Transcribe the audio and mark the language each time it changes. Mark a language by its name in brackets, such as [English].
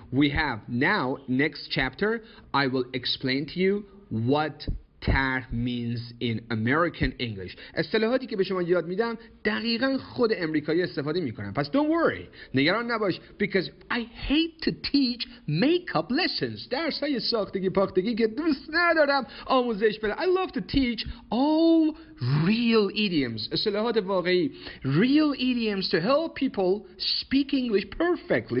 [English] We have. Now, next chapter, I will explain to you what طرح means in American English. [Persian] اصطلاحاتی که به شما یاد میدم دقیقا خود امریکایی استفاده میکنن. پس [English] don't worry. [Persian] نگران نباش. [English] Because I hate to teach makeup lessons. [Persian] درس های ساختگی پاختگی که دوست ندارم آموزش بده. [English] I love to teach all real idioms. [Persian] اصطلاحات واقعی. [English] Real idioms to help people speak English perfectly.